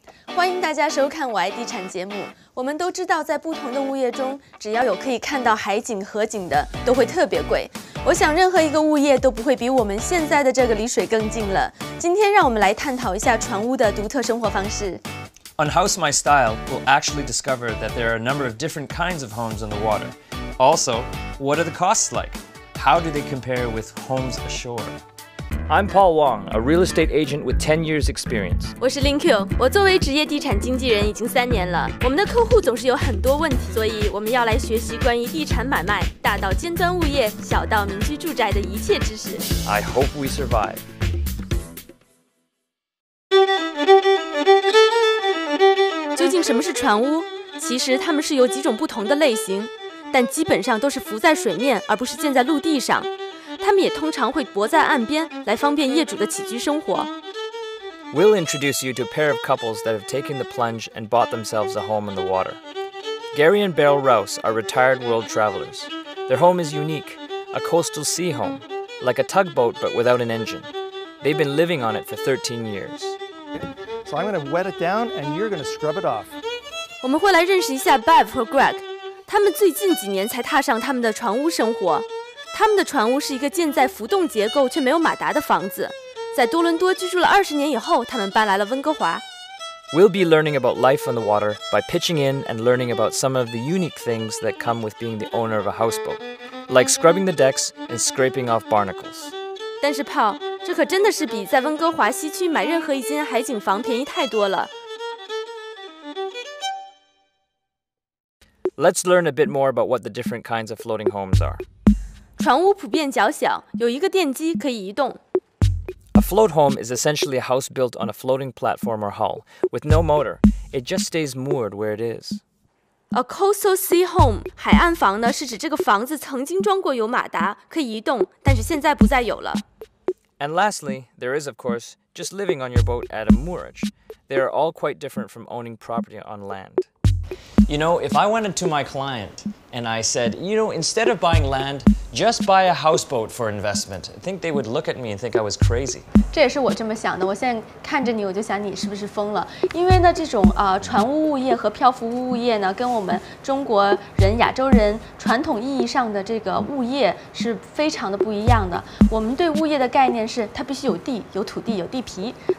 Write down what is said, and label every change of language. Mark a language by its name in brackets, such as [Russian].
[Chinese] 欢迎大家收看我爱地产节目。我们都知道，在不同的物业中，只要有可以看到海景、河景的，都会特别贵。我想任何一个物业都不会比我们现在的这个离水更近了。今天让我们来探讨一下船屋的独特生活方式。 [English] On House My Style, we'll actually discover that there are a number of different kinds of homes on the water. Also, what are the costs like? How do they compare with homes ashore? I'm Paul Wong, a real estate agent with 10 years experience. [Chinese] 我是 Ling Qiu, 我作为职业地产经纪人已经三年了。我们的客户总是有很多问题，所以我们要来学习关于地产买卖，大到尖端物业，小到民居住宅的一切知识。 [English] I hope we survive. [Chinese] 究竟什么是船屋？其实它们是有几种不同的类型，但基本上都是浮在水面，而不是建在陆地上。他们也通常会泊在岸边，来方便业主的起居生活。 [English] We'll introduce you to a pair of couples that have taken the plunge and bought themselves a home on the water. Garry and Beryl Rowse are retired world travelers. Their home is unique, a coastal sea home, like a tugboat but without an engine. They've been living on it for 13 years. So I'm going to wet it down and you're going to scrub it off. [Chinese] 我们会来认识一下 Bev 和 Greg， 他们最近几年才踏上他们的船屋生活。他们的船屋是一个建在浮动结构却没有马达的房子。在多伦多居住了20年以后，他们搬来了温哥华。 [English] We'll be learning about life on the water by pitching in and learning about some of the unique things that come with being the owner of a houseboat, like scrubbing the decks and scraping off barnacles. [Chinese] 但是 Paul, 这可真的是比在温哥华西区买任何一间海景房便宜太多了。 [English] Let's learn a bit more about what the different kinds of floating homes are. [Chinese] 船屋普遍较小，有一个电机可以移动。 [English] A float home is essentially a house built on a floating platform or hull, with no motor. It just stays moored where it is. [Chinese] A coastal sea home, 海岸房呢，是指这个房子曾经装过有马达，可以移动，但是现在不再有了。 [English] And lastly, there is, of course, just living on your boat at a moorage. They are all quite different from owning property on land. You know, if I went to my client and I said, you know, instead of buying land, just buy a houseboat for investment, I think they would look at me and think I was crazy. [Chinese] 这也是我这么想的。我现在看着你，我就想你是不是疯了？因为呢，这种船屋物业和漂浮屋物业呢，跟我们中国人、亚洲人传统意义上的这个物业是非常的不一样的。我们对物业的概念是它必须有地、有土地、有地皮。